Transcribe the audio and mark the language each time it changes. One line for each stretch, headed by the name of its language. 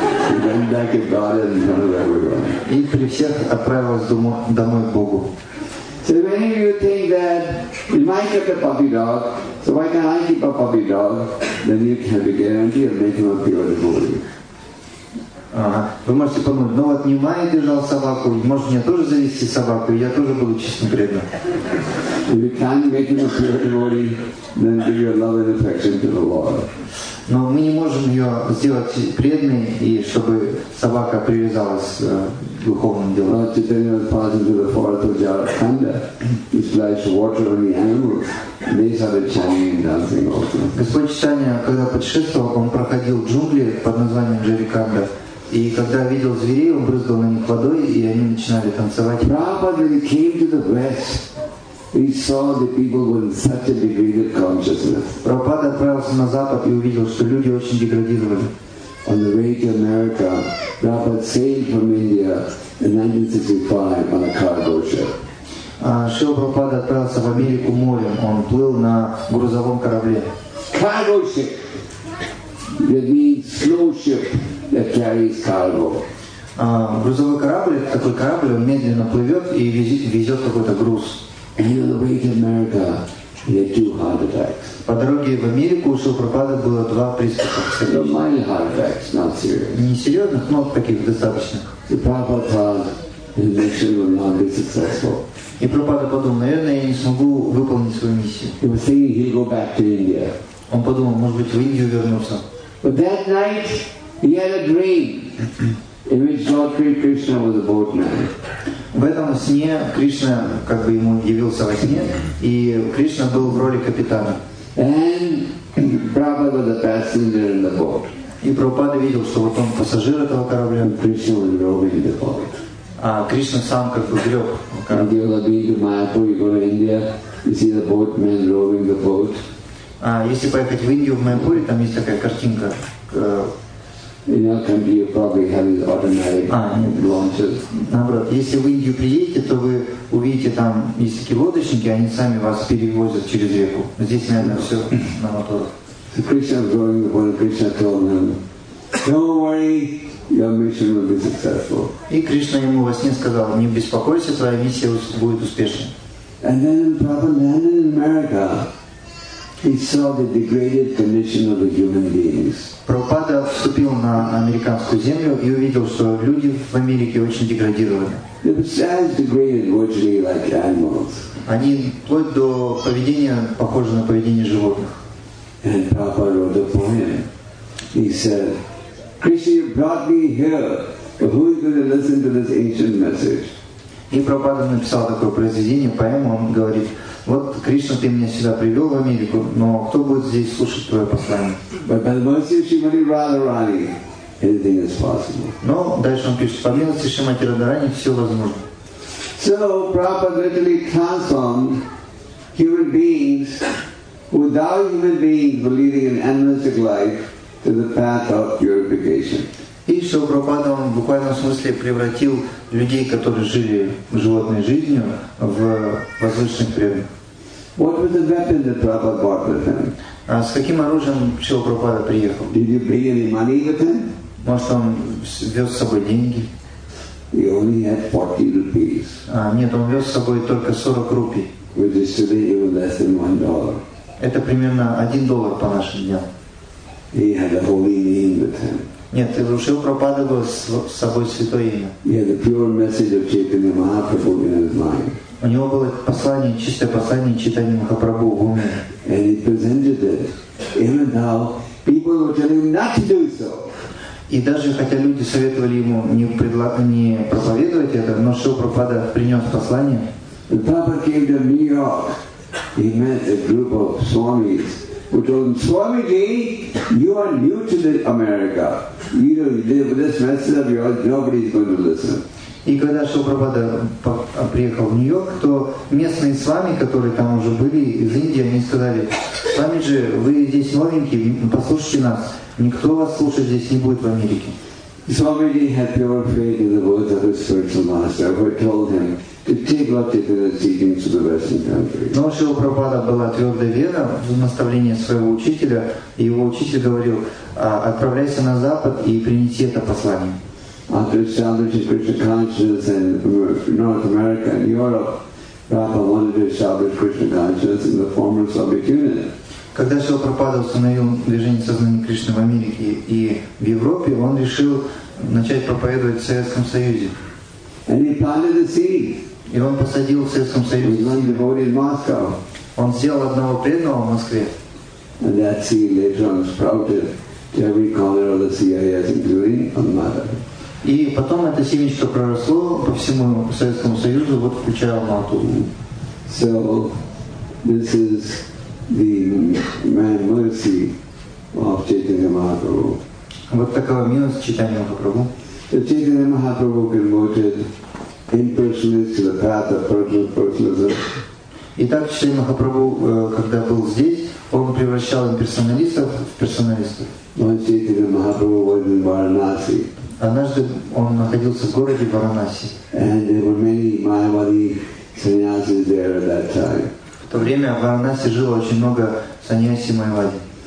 English: And then back in God in front of everyone.
Russian: И при всех отправилась домой к Богу.
English: So many of you think that you might get a puppy dog, so why can't I keep a puppy dog? Then you can be guaranteed of making a pure devotee.
Russian: Вы можете подумать, ну вот Нимай держал собаку, может мне тоже завести собаку, и я тоже буду чистым преданным.
English: If you can't make him a pure devotee, then give your love and affection to the Lord.
Russian: Но мы не можем ее сделать преданной, и чтобы собака привязалась к духовным делам.
English: Lord Chaitanya was passing through the forest of Jarakhanda. He splashed water on the animals. They started chanting and dancing also.
Russian: Господь Чайтанья, когда путешествовал, он проходил джунгли под названием Джарикханда. И когда видел зверей, он брызгал на них водой, и они начинали танцевать.
English: Prabhupada, when he came to the West, he saw the people were in such a degraded consciousness.
Russian: Прабхупада отправился на Запад и увидел, что люди очень деградировали.
English: On the way to America, Prabhupada sailed from India in 1965 on a cargo ship.
Russian: Шрила Прабхупада отправился в Америку морем. Он плыл на грузовом корабле.
English: Cargo ship. That means slow ship that carries cargo.
Russian: Грузовой корабль, это такой корабль, он медленно плывет и везет какой-то груз.
English: And on the way to America, he had two heart attacks.
Russian: По дороге в Америку у Шрилы Прабхупады было два приступа. Но
English: minor heart attacks, not serious.
Russian: Не серьезных, но таких достаточных.
English: The Prabhupada thought his mission would not be successful.
Russian: И Прабхупада подумал, наверное, я не смогу выполнить свою миссию.
English: He was thinking he'd go back to India.
Russian: Он подумал, может быть, в Индию вернуться.
English: But that night he had a dream in which Lord Sri Krishna was a boatman.
Russian: В этом сне Кришна как бы ему явился во сне, и Кришна был в роли капитана.
English: And Prabhupada was a passenger in the boat.
Russian: И Прабхупада видел, что вот он пассажир этого корабля.
English: Кришна was rowing the boat.
Russian: А Кришна сам как бы грёб корабль.
English: You're going to Mayapur, you go to India, you see the boatman rowing the boat.
Russian: А если поехать в Индию, в Майпуре, там есть такая картинка.
English: In our country, you probably have these automatic launches.
Russian: Наоборот, если в Индию приедете, то вы увидите там есть такие лодочники, они сами вас перевозят через реку. Здесь, наверное, все на моторах.
English: So Krishna was going to the point, Krishna told him, don't worry, your mission will be successful.
Russian: И Кришна ему во сне сказал, не беспокойся, твоя миссия будет успешной.
English: And then Prabhupada landed in America. He saw the degraded condition of the human beings.
Russian: Прабхупада вступил на американскую землю и увидел, что люди в Америке очень деградировали.
English: They were as degraded virtually like animals.
Russian: Они вплоть до поведения похожи на поведение животных.
English: And Prabhupada wrote a poem. He said, Krishna, you brought me here, but who is going to listen to this ancient message?
Russian: И Прабхупада написал такое произведение, поэму, он говорит, вот, Кришна, ты меня сюда привел в Америку, но кто будет здесь слушать твое послание?
English: But by the mercy of Shrimati Radharani, anything is possible.
Russian: Но дальше он пишет, по милости Шримати Радхарани, все возможно.
English: So, Prabhupada literally transformed human beings, without human beings believing in animistic life, to the path of purification.
Russian: И что Прабхупада он в буквальном смысле превратил людей, которые жили животной жизнью, в возвышенный предмет.
English: What was the weapon that Prabhupada brought with him?
Russian: А с каким оружием Шрила Прабхупада приехал?
English: Did he bring any money with him?
Russian: Может, он вез с собой деньги?
English: He only had 40 rupees.
Russian: Нет, он вез с собой только 40 рупий.
English: Which is today even less than $1.
Russian: Это примерно $1 по нашим дням.
English: He had a holy name with him.
Russian: Нет, у Шрила Прабхупады было с собой святое имя.
English: He had a pure message of Chaitanya Mahaprabhu in his mind.
Russian: У него было послание, чистое послание Чайтанья Махапрабху в уме.
English: And he presented it, even though people were telling him not to do so.
Russian: И даже хотя люди советовали ему не проповедовать это, но Шрила Прабхупада принес послание.
English: The Prabhupada came to New York. He met a group of swamis who told him, Swamiji, you are new to the America. You know, this message of yours, nobody is going to listen.
Russian: И когда Шрила Прабхупада приехал в Нью-Йорк, то местные свами, которые там уже были из Индии, они сказали, «Свами же, вы здесь новенькие, послушайте нас, никто вас слушать здесь не будет в Америке».
English: Swamiji had pure faith in the words of his spiritual master, who told him to take Lord Chaitanya's teachings to the Western countries.
Russian: Но Шрила Прабхупада была твердая вера в наставление своего учителя, и его учитель говорил, «Отправляйся на Запад и принеси это послание».
English: After establishing Krishna consciousness in North America and Europe, Prabhupada wanted to establish Krishna consciousness in the former Soviet Union.
Russian: Когда Шрила Прабхупада установил движение сознания Кришны в Америке и в Европе, он решил начать проповедовать в Советском Союзе.
English: And he planted a seed.
Russian: И он посадил в Советском Союзе.
English: With one devotee in Moscow.
Russian: Он сделал одного преданного в Москве.
English: And that seed later on sprouted to every corner of the CIS, including Almaty.
Russian: И потом это семечко проросло по всему Советскому Союзу, вот включая Алмату.
English: So, this is the man mercy of Chaitanya Mahaprabhu.
Russian: Вот такова милость Чайтаньи Махапрабху.
English: So, Chaitanya Mahaprabhu converted impersonalists to the path of personal personalism.
Russian: Итак, Чайтанья Махапрабху, когда был здесь, он превращал имперсоналистов в персоналистов. Но
English: Чайтанья Махапрабху was in Varanasi.
Russian: Однажды он находился в городе Варанаси. And there were many Mayavadi sannyasis there at that time. В то время в Варанаси жило очень много саньяси майвади.